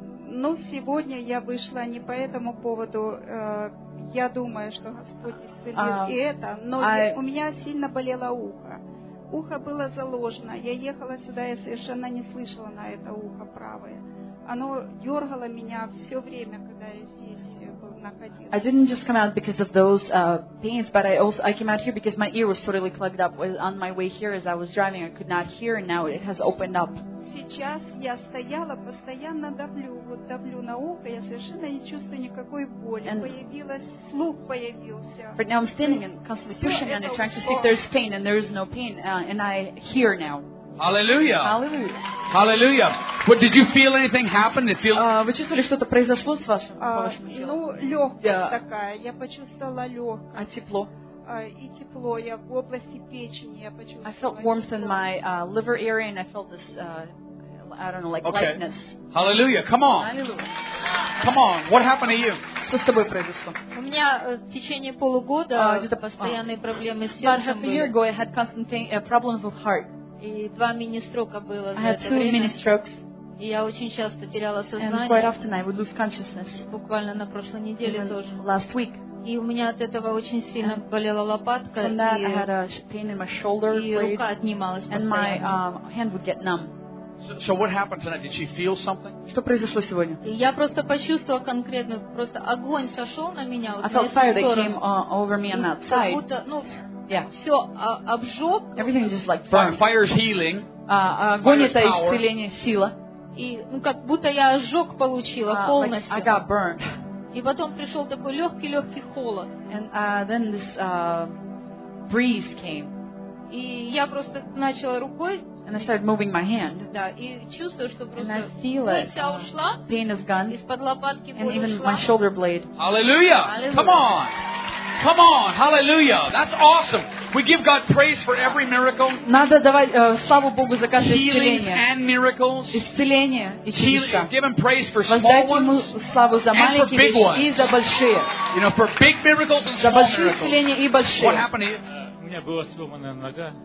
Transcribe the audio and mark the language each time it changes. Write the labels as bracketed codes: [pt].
[ru] Ну, сегодня я вышла не по этому поводу. Я думаю, что Господь исцелил и это, но у меня сильно болело ухо. Ухо было заложено. Я ехала сюда, я совершенно не слышала на это ухо правое. Оно дергало меня все время, когда я здесь находилась. [en] I didn't just come out because of those pains, but I came out here because my ear was totally plugged up. On my way here, as I was driving, I could not hear, and now it has opened up. [ru] Сейчас я стояла, постоянно давлю, вот давлю на ухо, я совершенно не чувствую никакой боли. [en] And [ru] появилась, слух появился. [en] But now I'm standing and constantly pushing and trying to see if there's pain, and there is no pain, and I hear now. Hallelujah. Hallelujah. Hallelujah. But did you feel anything happen? Did you feel? [ru] Вы чувствовали что-то произошло с вашим телом? Ну, легкость такая, я почувствовала легкость. А тепло? и тепло. Я в области печени я почувствовала. [en] I felt warmth in my liver area and I felt this I don't know, like okay. lightness. Hallelujah. Come on. Hallelujah. Come on. What happened to you? [ru] Что с тобой произошло? У меня в течение полугода где-то постоянные проблемы с сердцем были. [en] About half a year ago, I had constant problems with heart. [ru] И два мини-строка было за это время. [en] I had two mini-strokes. [ru] И я очень часто теряла сознание. [en] And quite often I would lose consciousness. [ru] Буквально на прошлой неделе [en] Even [ru] тоже. [en] Last week. [ru] И у меня от этого очень сильно болела лопатка. [en] From that, I had a pain in my shoulder. [ru] И рука отнималась постоянно. [en] And my hand would get numb. So what happened tonight? Did she feel something? [ru] Что произошло сегодня? Я просто почувствовала конкретно, просто огонь сошел на меня. [en] I felt fire that came over me on that side. [ru] Ну, все обжег. [en] Everything just like burned. Fire is healing. [ru] Огонь это исцеление, сила. И ну как будто я ожог получила полностью. [en] Like I got burned. [ru] И потом пришел такой легкий холод. [en] And then this breeze came. [ru] И я просто начала рукой. [en] And I started moving my hand. [ru] Да, и чувствую, что просто. [en] And I feel it. [ru] Вся ушла. [en] Pain is gone. [ru] Из-под лопатки [en] And even [ru] ушла. [en] My shoulder blade. Hallelujah! Come on! Come on! Hallelujah! That's awesome. We give God praise for every miracle. [ru] Надо давать славу Богу за каждое исцеление. [en] Healing and miracles. [ru] Исцеление и чудеса. [en] Give Him praise for small ones and for big ones. [ru] И за большие. [en] You know, for big miracles and small miracles. [ru] За большие исцеления и большие. [en] What happened to you? [ru] У меня была сломанная нога.